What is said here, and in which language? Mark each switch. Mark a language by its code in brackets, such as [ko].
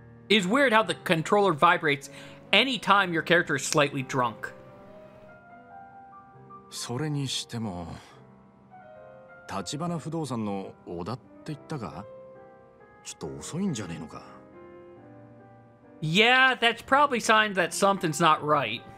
[en] It's weird how the controller vibrates anytime your character is slightly drunk. [ja] それにしても、立花不動産の小田って言ったか？ちょっと遅いんじゃねえのか？ [en] Yeah, that's probably a sign that something's not right.